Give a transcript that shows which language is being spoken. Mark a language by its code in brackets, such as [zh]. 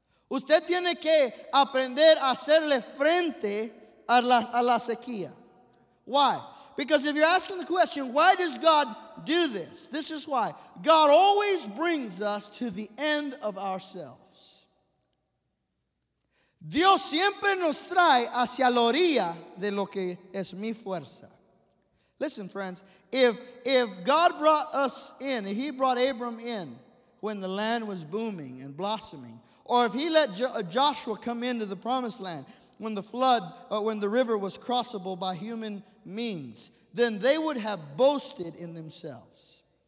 [es] Usted tiene que aprender a hacerle frente a la sequía. [en] Why? Because if you're asking the question, why does God do this? This is why. God always brings us to the end of ourselves. [es] Dios siempre nos trae hacia la orilla de lo que es mi fuerza. [en] Listen, friends, if God brought us in, if he brought Abram in when the land was booming and blossoming, or if he let Joshua come into the promised land when the flood, or when the river was crossable by human means, then they would have boasted in themselves.